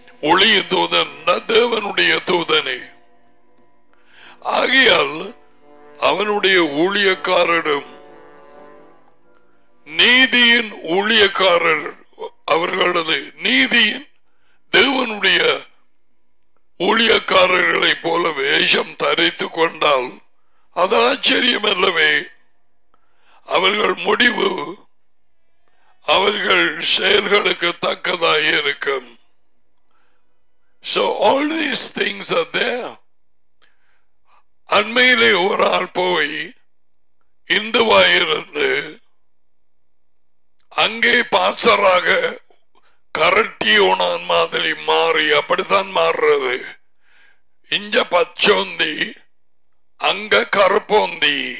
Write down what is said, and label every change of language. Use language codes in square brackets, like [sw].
[ta] ஒளிய தூதன் தேவனுடைய தூதனே. ஆகையால் அவனுடைய ஊழியக்காரரும் நீதியின் ஊழியக்காரர் அவர்களது நீதியின் தேவனுடைய ஊழியக்காரர்களை போல வேஷம் தரித்து கொண்டால் அது ஆச்சரியமல்லவே. அவர்கள் முடிவு அவர்கள் செயல்களுக்கு தக்கதாக இருக்கும். [en] So all these things are there. [ta] அண்மையிலே ஒரு ஆள் போய் இந்துவாயிருந்து அங்கே பாஸ்டராக கரட்டி உணான் மாதிரி மாறி, அப்படித்தான் மாறுறது. இங்க பச்சோந்தி அங்க கருப்போந்தி.